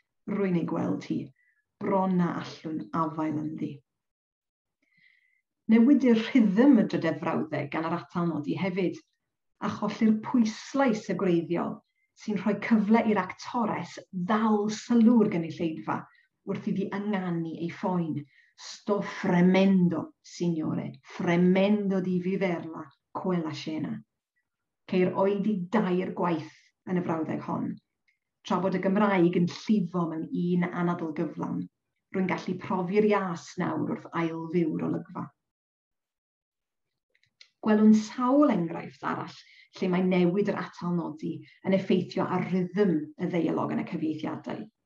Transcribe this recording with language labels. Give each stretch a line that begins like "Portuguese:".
Welsh: Rwy'n ei gweld hi, bron na allwn afael ynddi. newid i'r rhythm y drydedd frawddeg gan yr atalnodi hefyd, a cholli'r pwyslais y gwreiddiol sy'n rhoi cyfle i'r actores ddal sylw'r gynulleidfa wrth iddi ynganu ei ffoen.
Italian: Sto fremendo, signore, fremendo di viverla, quella scena.
Welsh: Ceir oed i dair gwaith yn y frawddeg hon, tra bod y Gymraeg yn llifo mewn un anadl gyflawn, rwy'n gallu profi'r ias nawr wrth ail fyw'r olygfa. Gwelwn sawl enghraifft arall lle mae newid yr atalnodi yn effeithio ar rhythm y ddeialog yn y cyfieithiadau.